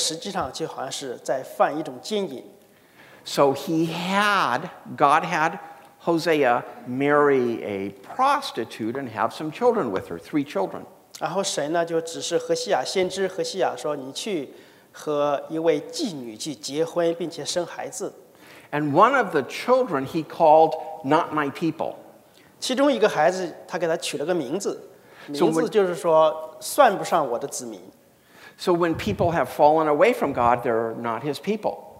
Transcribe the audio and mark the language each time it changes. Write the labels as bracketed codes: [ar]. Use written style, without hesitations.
[zh] 当时以色列人拜很多其他的神,耶和华神就对他们讲说,如果你和我还有其他的神掺在一起敬拜,这实际上就好像是在犯一种奸淫。 [en] So he had, God had Hosea marry a prostitute and have some children with her, three children. [zh] 然后神呢,就指示何西亚,先知何西亚说,你去和一位妓女去结婚,并且生孩子。 [en] And one of the children he called not my people. [zh] 其中一个孩子,他给他取了个名字,名字就是说算不上我的子民。 [en] So when people have fallen away from God, they're not his people.